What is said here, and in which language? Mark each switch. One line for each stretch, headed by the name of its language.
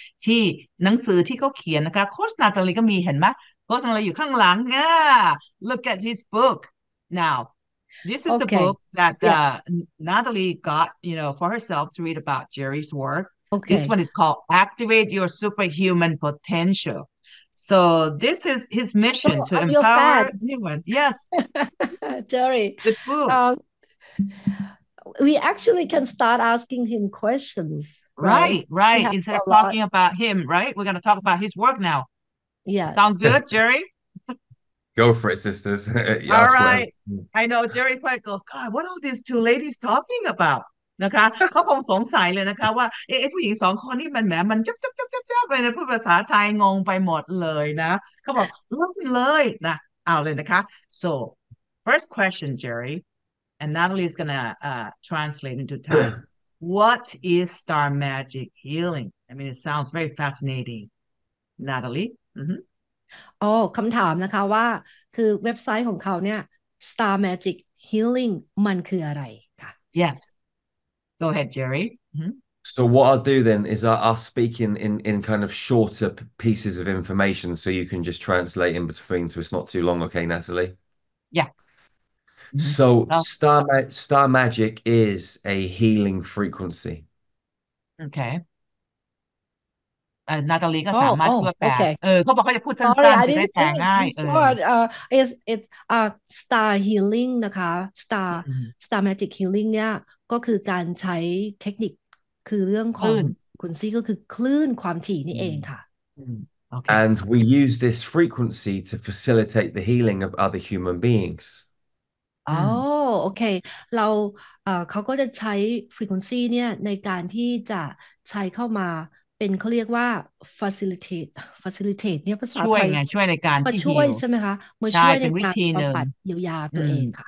Thai: ที่หนังสือที่เขาเขียนนะคะโคชนาตาลีก็มีเห็นไหมโคชนาตาลีอยู่ข้างหลังง่า
English: look at his book now this is the book that Natalie got you know for herself to read about Jerry's work this one is called activate your superhuman potential so this is his mission to empower anyone yes Jerry the book we actually can start asking him questions right instead of talking about him right we're going to talk about his work now yeah sounds good Jerry go for it sisters yeah, all right I know Jerry Pico god what are these two ladies talking about
Thai: นะคะเขาคงสงสัยเลยนะคะว่าเอ๊ะผู้หญิงสองคนนี่มันแหมมันจ๊อบๆๆๆๆอะไรนะพูดภาษาไทยงงไปหมดเลยนะเขาบอกลุ้นเลยนะเอาเลยนะคะ
English: so first question JerryAnd Natalie is going to translate into Thai. What is star magic healing? I mean, it sounds very fascinating. Natalie?
Thai: คำถามนะคะว่าคือเว็บไซต์ของเขาเนี่ย star magic healing มันคืออะไรคะ
English: Yes. Go ahead, Jerry. So what I'll do then is I'll speak in kind of shorter pieces of information so you can just translate in between so it's not too long, okay, Natalie? Yeah. So star magic is a healing frequency. Okay.
Thai: Natalie ก็สามารถพูดแปลเขาบอกเขาจะพูดสั้นๆจะได้แปลง่าย
English: It's star healing
Thai: นะคะ star magic healing เนี่ยก็คือการใช้เทคนิคคือเรื่องของคุณซีก็คือคลื่นความถี่นี่เองค่ะ
English: And we use this frequency to facilitate the healing of other human beings.
Thai: โอเคเราเขาก็จะใช้ frequency เนี่ยในการที่จะใช้เข้ามาเป็นเขาเรียกว่า facilitate เนี่ยภาษาไทย ช่วยในการที่ ช่วยใช่ไหมคะมาช่วยในการบำบัดเยียวยาตัวเองค่ะ